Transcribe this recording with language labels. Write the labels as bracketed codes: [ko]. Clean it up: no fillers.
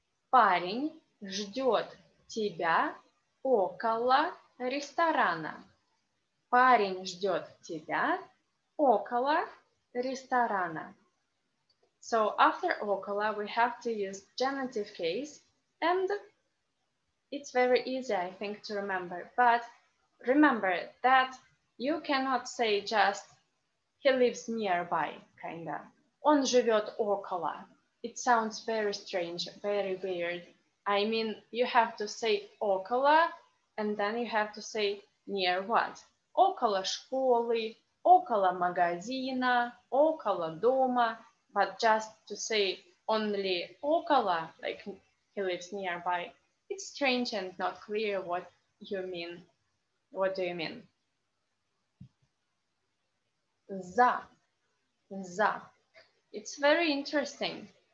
[ru] Парень ждет тебя около ресторана. Парень ждет тебя около ресторана. [en] So after около we have to use genitive case, and it's very easy, I think, to remember. But remember that you cannot say just he lives nearby, kinda. [ru] Он живет около. [en] It sounds very strange, very weird. I mean, you have to say около, and then you have to say near what? [ru] Около школы, около магазина, около дома. [en] But just to say only около, like he lives nearby, it's strange and not clear what you mean. What do you mean? За, за. It's very interesting.